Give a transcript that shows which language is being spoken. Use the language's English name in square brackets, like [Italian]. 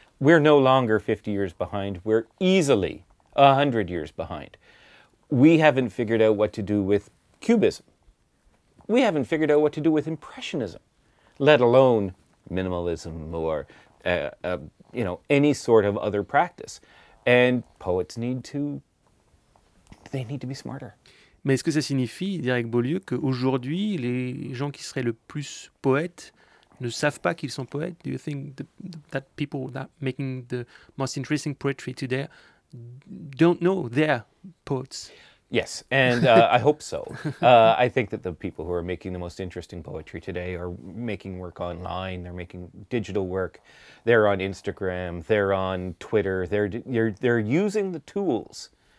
[English] We're no longer 50 years behind. We're easily 100 years behind. We haven't figured out what to do with cubism. We haven't figured out what to do with impressionism, let alone minimalism or you know, any sort of other practice. And poets need to be smarter. [French] Mais est-ce que ça signifie, Derek Beaulieu, qu'aujourd'hui, les gens qui seraient le plus poètes ne savent pas qu'ils sont poètes? [English] Do you think that people that making the most interesting poetry today don't know they're poets? Yes, and I hope so. I think that the people who are making the most interesting poetry today are making work online, they're making digital work, they're on Instagram, they're on Twitter, they're using the tools.